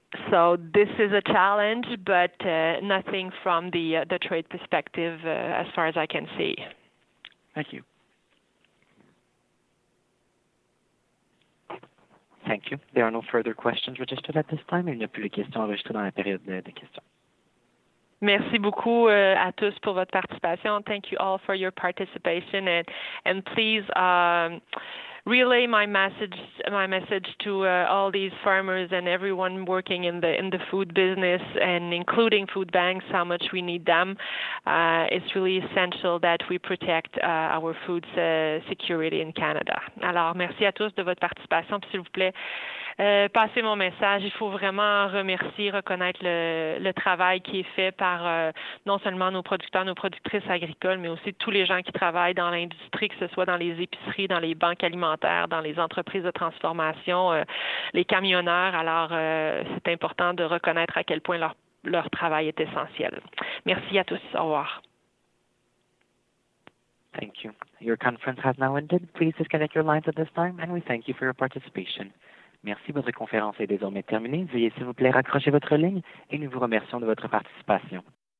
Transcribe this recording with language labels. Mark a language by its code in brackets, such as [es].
[en] So this is a challenge, but nothing from the trade perspective, as far as I can see. Thank you. Thank you. There are no further questions registered at this time. [fr] Il n'y a plus de questions enregistrées dans la période de questions. Merci beaucoup à tous pour votre participation. [en] Thank you all for your participation, and please. Relay my message to all these farmers and everyone working in the food business, and including food banks, how much we need them. It's really essential that we protect our food security in Canada. [fr] Alors, merci à tous de votre participation. Puis, s'il vous plaît, passez mon message. Il faut vraiment remercier, reconnaître le travail qui est fait par non seulement nos producteurs, nos productrices agricoles, mais aussi tous les gens qui travaillent dans l'industrie, que ce soit dans les épiceries, dans les banques alimentaires, dans les entreprises de transformation, les camionneurs. Alors, c'est important de reconnaître à quel point leur travail est essentiel. Merci à tous. Au revoir. [en] Thank you. Your conference has now ended. Please disconnect your lines at this time, and we thank you for your participation. [fr] Merci. Votre conférence est désormais terminée. Veuillez, s'il vous plaît, raccrocher votre ligne, et nous vous remercions de votre participation.